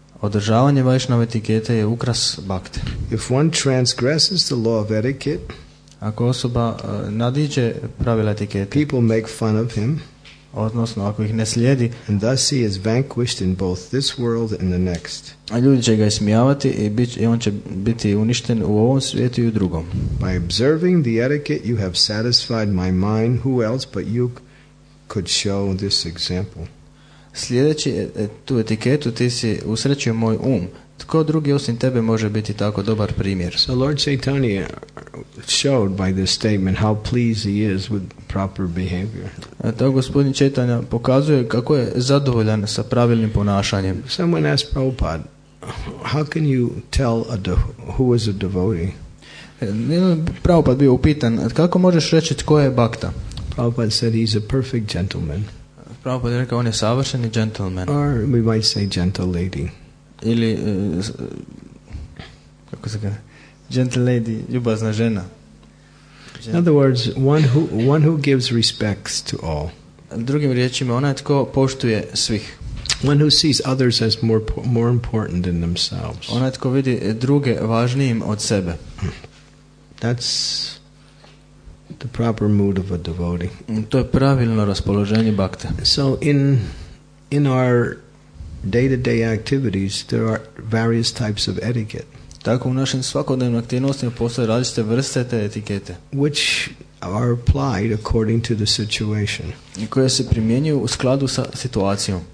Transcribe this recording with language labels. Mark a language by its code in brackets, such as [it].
[hr] Održavanje Vaishnava etikete je ukras bhakte. [en] If one transgresses the law of etiquette, [hr] ako osoba nadiđe pravila etikete, [en] people make fun of him, [hr] odnosno ako ih ne slijedi, [en] and thus he is vanquished in both this world and the next. [hr] A ljudi će ga ismijavati i on će biti uništen u ovom svijetu i u drugom. [en] By observing the etiquette you have satisfied my mind, who else but you could show this example. [hr] Slijedeći tu etiketu ti si usrećio moj um. Tko drugi osim tebe može biti tako dobar primjer? [en] So Lord Chaitanya showed by this statement how pleased he is with proper behavior. [hr] To gospodin Chaitanya pokazuje kako je zadovoljan sa pravilnim ponašanjem. [en] Someone asked Prabhupada, how can you tell who is a devotee? [hr] Prabhupada bio upitan, kako možeš reći tko je bhakta? [en] Prabhupada said he's a perfect gentleman. [hr] Prabhupada je rekao, on je savršeni gentleman. [en] Or we might say gentle lady. [hr] Ili kako se kaže, [en] gentle lady, [hr] ljubazna žena. [en] In other words, one who gives respects to all. [hr] Drugim riječima, onaj tko poštuje svih. [en] One who sees others as more important than themselves. [hr] Onaj tko vidi druge važnijim od sebe. [en] That's the proper mood of a devotee. [hr] To je pravilno raspoloženje bhakte. [en] So in our day-to-day activities there are various types of etiquette. [hr] Tako u našim svakodnevnim aktivnostima postoje različite vrste te etikete. [en] Which are applied according to the situation. [hr] I koje se primjenjuju u skladu sa situacijom.